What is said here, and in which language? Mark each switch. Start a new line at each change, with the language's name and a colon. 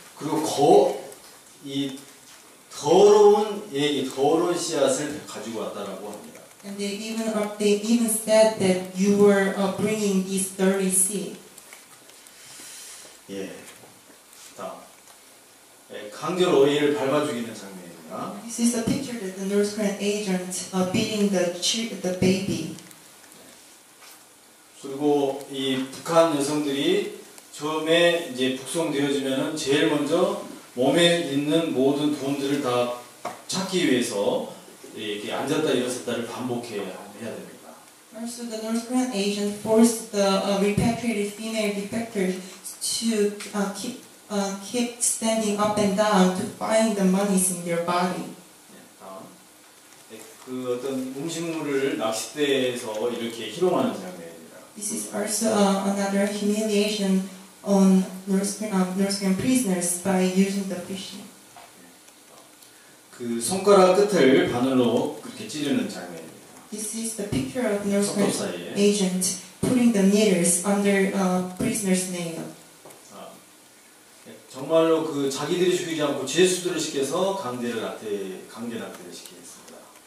Korean: 그리고 이 더러운 얘기, 더러운 씨앗을 가지고 왔다라고 합니다.
English: And they even said that you were bringing this dirty seed.
Korean: 예, 다음. 예, 강제로 얘를 밟아 죽이는 장면입니다.
English: This is a picture that the North Korean agent beating the baby.
Korean: 그리고 이 북한 여성들이 처음에 이제 북송되어지면은 제일 먼저 몸에 있는 모든 돈들을 다 찾기 위해서 이렇게 앉았다 일어섰다를 반복해야 됩니다.
English: Also, the North Korean agent forced the repatriated female defectors to keep standing up and down to find the monies in their body.
Korean: 네, 그 어떤 음식물을 낚싯대에서 이렇게 희롱하는 장면입니다.
English: This is also another humiliation on North Korean prisoners by using the fishing.
Korean: 그 손가락 끝을 바늘로 그렇게 찌르는 장면입니다.
English: This is the picture of North Korean agent putting the needles under a prisoner's nail.
Korean: 정말로 그 자기들이 죽이지 않고 죄수들을 시켜서 강제 낙태를 시키겠습니다.